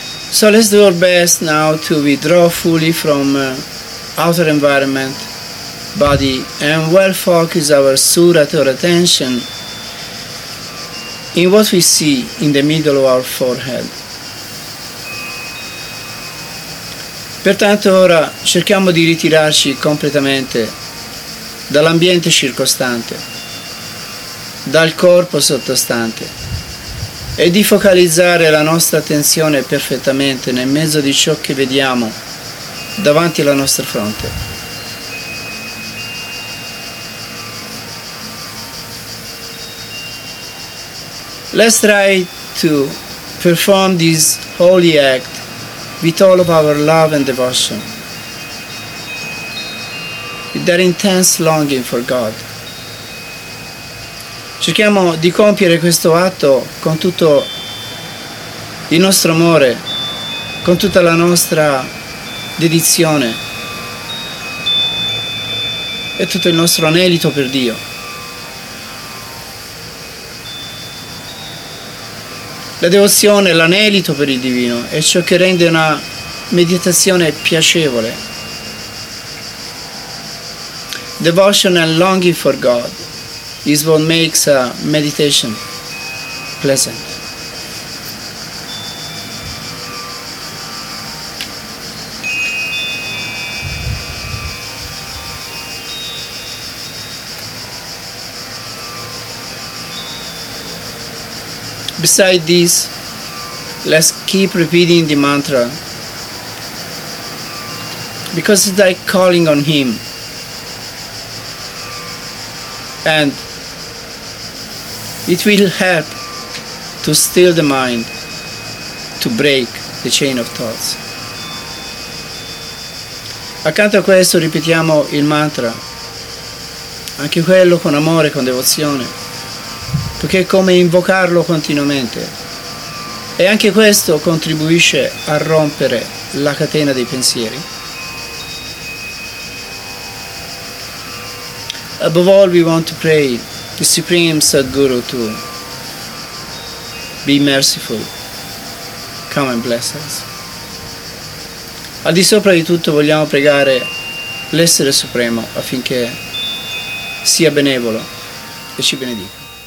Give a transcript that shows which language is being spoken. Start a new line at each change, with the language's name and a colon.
English: So let's do our best now to withdraw fully from outer environment, body, and well focus our surat or attention in what we see in the middle of our forehead.
Italian: Pertanto ora cerchiamo di ritirarci completamente dall'ambiente circostante, dal corpo sottostante, e di focalizzare la nostra attenzione perfettamente nel mezzo di ciò che vediamo davanti alla nostra fronte.
English: Let's try to perform this holy act with all of our love and devotion, with that intense longing for God.
Italian: Cerchiamo di compiere questo atto con tutto il nostro amore, con tutta la nostra dedizione e tutto il nostro anelito per Dio. La devozione e l'anelito per il Divino è ciò che rende una meditazione piacevole.
English: Devotion and longing for God is what makes a meditation pleasant. Besides this, let's keep repeating the mantra, because it's like calling on Him. And it will help to still the mind, to break the chain of thoughts.
Italian: Accanto a questo ripetiamo il mantra, anche quello con amore, con devozione, perché è come invocarlo continuamente. E anche questo contribuisce a rompere la catena dei pensieri.
English: Above all, we want to pray the Supreme Sadguru to be merciful, come and bless us.
Italian: Al di sopra di tutto vogliamo pregare l'Essere Supremo affinché sia benevolo e ci benedica.